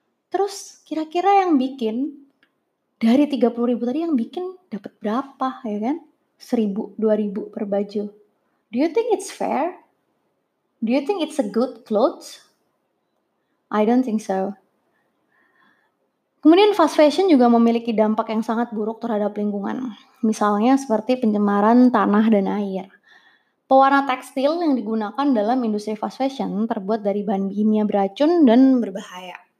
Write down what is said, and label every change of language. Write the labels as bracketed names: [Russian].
[Indonesian] Terus kira-kira yang bikin dari 30 ribu tadi yang bikin dapat berapa ya kan? [English] 1.000, 2.000 [Indonesian] per baju. [English] Do you think it's fair? Do you think it's a good clothes? I don't think so. [Indonesian] Kemudian fast fashion juga memiliki dampak yang sangat buruk terhadap lingkungan. Misalnya seperti pencemaran tanah dan air. Pewarna tekstil yang digunakan dalam industri fast fashion terbuat dari bahan kimia beracun dan berbahaya.